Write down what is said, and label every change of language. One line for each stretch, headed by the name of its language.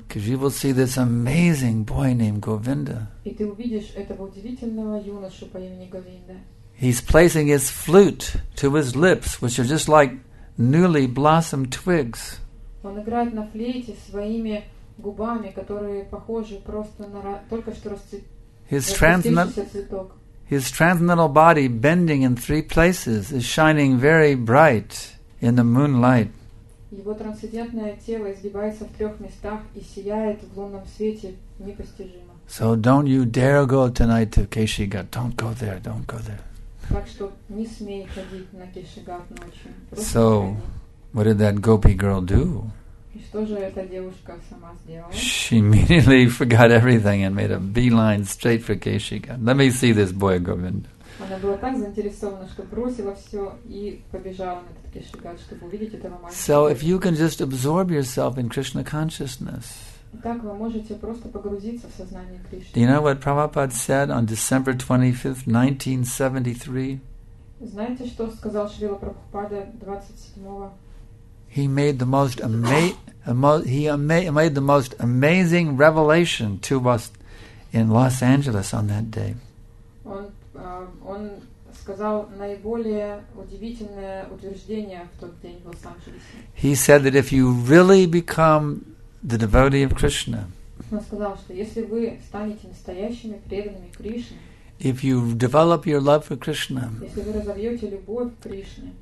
English: Because you will see this amazing boy named Govinda.
Russian: И ты увидишь этого удивительного юношу по имени Говинда.
English: He's placing his flute to his lips, which are just like newly blossomed twigs.
Russian: Он играет на флейте своими губами, которые похожи просто на только что расцветшийся цветок.
English: His transcendental body bending in three places is shining very bright in the moonlight.
Russian: Его трансцендентное тело изгибается в трех местах и сияет в лунном свете непостижимо.
English: So don't you dare go tonight to Keshigat. Don't go there, don't go there.
Russian: Так что не смей ходить на Кешигат ночью.
English: So, what did that gopi girl do?
Russian: И что же эта девушка сама сделала?
English: She immediately forgot everything and made a beeline straight for Keshigat. Let me see this boy, Govind.
Russian: Она была так заинтересована, что бросила все и побежала на этот Кешигат, чтобы увидеть этого мальчика.
English: So if you can just absorb yourself in Krishna consciousness.
Russian: Так вы можете просто погрузиться в сознание Кришны.
English: Do you know what Prabhupada said on December 25th, 1973?
Russian: Знаете, что сказал Шрила Прабхупада 27-го?
English: He made the most amazing revelation to us in Los Angeles on that day.
Russian: Он сказал наиболее удивительное утверждение в тот день в Лос-Анджелесе.
English: He said that if you really become the devotee of Krishna,
Russian: он сказал, что если вы станете настоящими преданными Кришны,
English: if you develop your love for Krishna,
Russian: если вы разовьете любовь к Кришне,